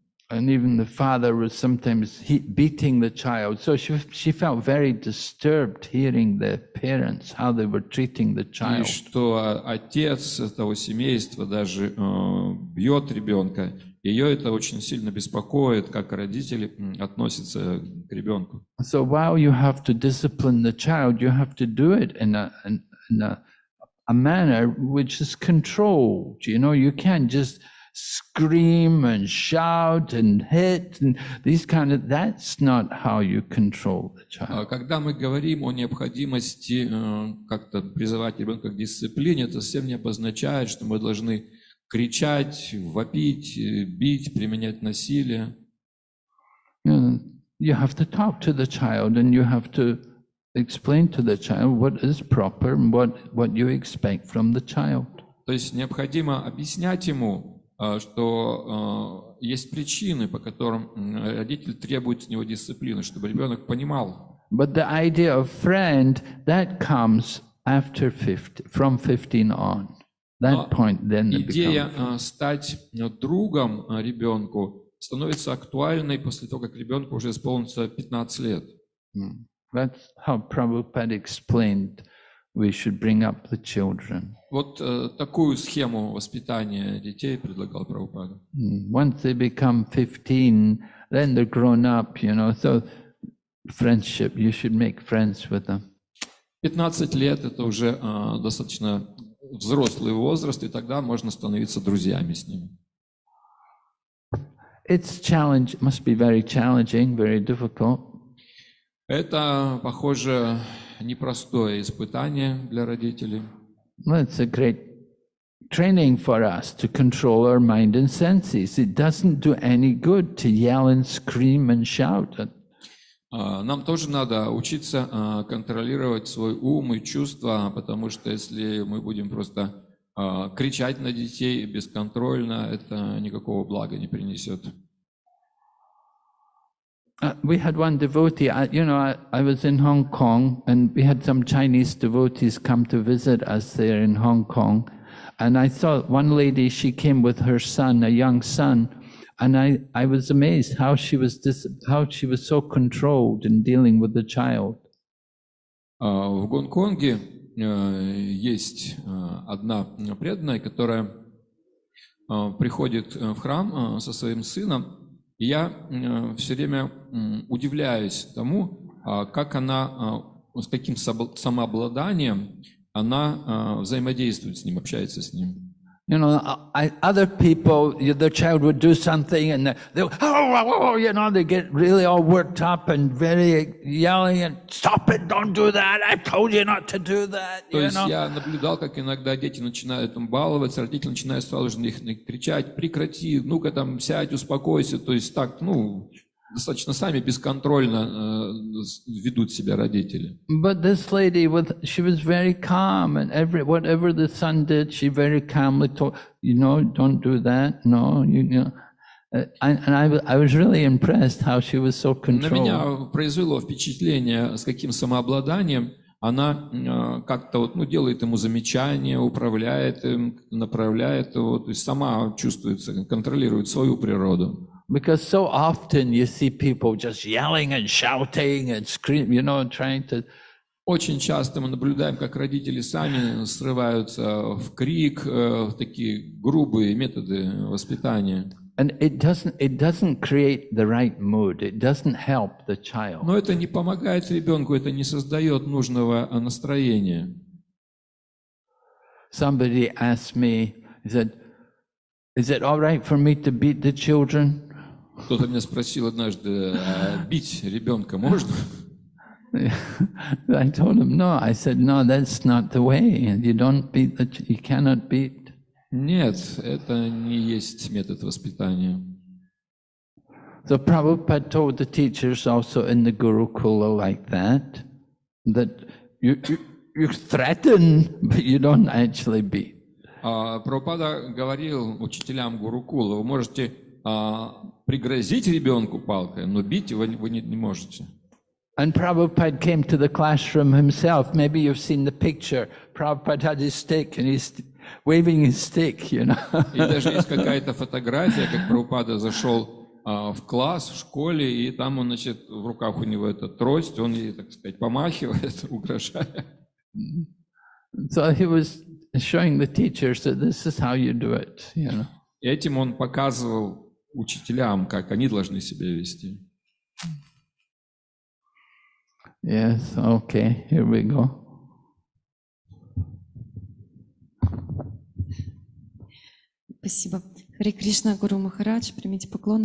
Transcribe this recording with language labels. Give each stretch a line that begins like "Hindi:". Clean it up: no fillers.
English: And even the father was sometimes beating the child. So she felt very disturbed hearing the parents, how they were treating the child.
Russian: И что отец этого семейства даже бьет ребенка. Ее это очень сильно беспокоит, как родители относятся к ребенку.
English: So while you have to discipline the child, you have to do it in a manner which is controlled. You know, you can't just scream and shout and hit and these kind of, that's not how you control the child.
Russian: Когда мы говорим о необходимости как-то призывать ребенка к дисциплине, это совсем не обозначает, что мы должны кричать, вопить, бить, применять насилие.
English: You have to talk to the child and you have to explain to the child what is proper and what you expect from the child.
Russian: То есть необходимо объяснять ему, что есть причины, по которым родитель требует с него дисциплины, чтобы ребенок понимал.
English: But the idea of friend, that comes after 50, from 15 on. That point then becomes.
Russian: Идея стать другом ребенку становится актуальной после того, как ребенку уже исполнится 15 лет.
English: That's how Prabhupada explained we should bring up the children.
Russian: Вот такую схему воспитания детей предлагал Прабхупада.
English: Once they become 15, then they're grown up, you know, so friendship, you should make friends with them.
Russian: 15 лет — это уже достаточно взрослый возраст, и тогда можно становиться друзьями с ними.
English: It's challenge, must be very challenging, very difficult.
Russian: Это, похоже, непростое испытание для родителей.
English: Well, it's a great training for us to control our mind and senses. It doesn't do any good to yell and scream and shout.
Russian: Нам тоже надо учиться контролировать свой ум и чувства, потому что если мы будем просто кричать на детей бесконтрольно, это никакого блага не принесет.
English: We had one devotee, I was in Hong Kong, and we had some Chinese devotees come to visit us there in Hong Kong, and I saw one lady, she came with her son, a young son, and I was amazed how she was so controlled in dealing with the child.
Russian: В Гонконге есть одна преданная, которая приходит в храм со своим сыном. Я все время удивляюсь тому, как она, с каким самообладанием она взаимодействует с ним, общается с ним.
English: You know, other people, the child would do something, and they get really all worked up and very yelling and stop it, don't do that. I told you not to do that.
Russian: То есть я наблюдал, как иногда дети начинают баловаться, родители начинают сразу же их кричать, прекрати, ну-ка там сядь, успокойся. То есть так, ну, достаточно сами бесконтрольно ведут себя родители.
English: But this lady she was very calm, and whatever the son did, she very calmly told, don't do that, no, I was really impressed how she was so controlled.
Russian: На меня произвело впечатление, с каким самообладанием она как-то вот, ну, делает ему замечания, управляет им, направляет его, то есть сама чувствуется, контролирует свою природу.
English: Because so often you see people just yelling and shouting and screaming, trying to.
Russian: Очень часто мы наблюдаем, как родители сами срываются в крик, в такие грубые методы воспитания.
English: And it doesn't create the right mood. It doesn't help the child.
Russian: Но это не помогает ребенку, это не создает нужного настроения.
English: Somebody asked me, he said, "Is it all right for me to beat the children?"
Russian: Кто-то меня спросил однажды, бить ребенка можно?
English: I told him no. I said no, that's not the way. You don't beat the child. You cannot beat.
Russian: Нет, это не есть метод воспитания.
English: So Prabhupada told the teachers also in the Gurukula like that you threaten, but you don't actually beat.
Russian: Прабхупада говорил учителям Гурукула, вы можете пригрозить ребенку палкой, но бить его вы не можете.
English: And Prabhupada came to the classroom himself. Maybe you've seen the picture. Prabhupada had his stick and he's waving his stick,
Russian: И даже есть какая-то фотография, как Прабхупада зашел в класс, в школе, и там он, значит, в руках у него эта трость, он ей, так сказать, помахивает, угрожая.
English: So he was showing the teachers that this is how you do it,
Russian: Этим он показывал учителям, как они должны себя вести.
English: Yes, okay, here we go.
Russian: Спасибо. Харе Кришна, Гуру Махарадж, примите поклон.